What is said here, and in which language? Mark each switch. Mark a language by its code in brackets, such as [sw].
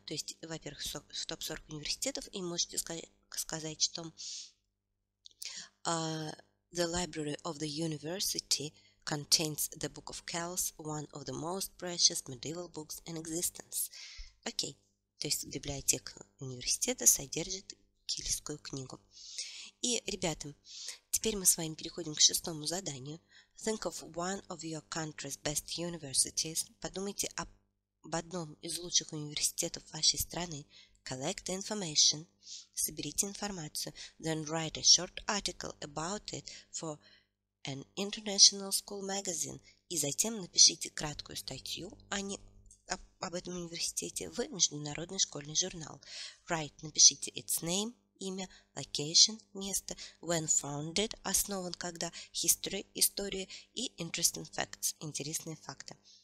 [ru] То есть, во-первых, в топ 40 университетов, и можете сказать, что [en] the library of the university contains the Book of Kells, one of the most precious medieval books in existence. Окей. [ru] То есть библиотека университета содержит Кельскую книгу. И, ребята, теперь мы с вами переходим к шестому заданию. [en] Think of one of your country's best universities. [ru] Подумайте об одном из лучших университетов вашей страны. [en] Collect information. [ru] Соберите информацию. [en] Then write a short article about it for an international school magazine. [ru] И затем напишите краткую статью об этом университете в международный школьный журнал. [en] Write, напишите its name, имя, location, место, when founded, основан когда, history, история и interesting facts, интересные факты.